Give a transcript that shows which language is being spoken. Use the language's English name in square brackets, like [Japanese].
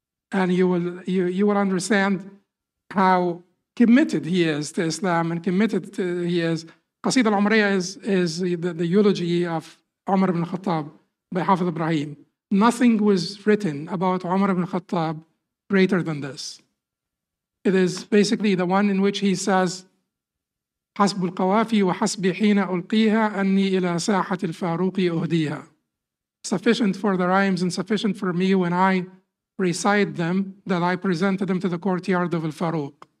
[English] And you will understand how committed he is to Islam and committed to, he is. Qasid al-Umriya is the eulogy of Umar ibn Khattab by Hafiz Ibrahim. Nothing was written about Umar ibn Khattab greater than this. It is basically the one in which he says, [Arabic] حسب القوافي وحسبي حين ألقيها أني إلى ساحة الفاروق أهديها. [English] Sufficient for the rhymes and sufficient for me when I recite them, that I presented them to the courtyard of Al-Faruq.